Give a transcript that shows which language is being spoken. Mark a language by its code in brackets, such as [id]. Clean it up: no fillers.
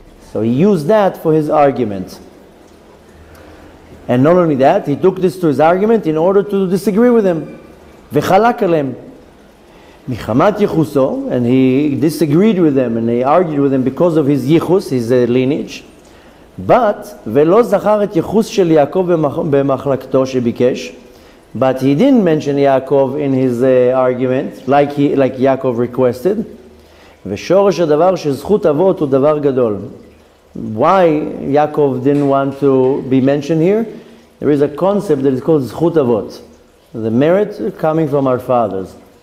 [en] So he used that for his argument. And not only that, he took this to his argument in order to disagree with him. [he] V'chalak alem. Michamat Yichuso. [en] And he disagreed with them and he argued with them because of his Yichus, his lineage. But [he] ולא זכר את יחוס של יעקב במחלקתו שביקש. [en] But he didn't mention Yaakov in his argument, like Yaakov requested. [he] ושורש הדבר שזכות אבות הוא דבר גדול. [en] why Yaakov didn't want to be mentioned here, there is a concept that is called Zchut Avot, the merit coming from our fathers.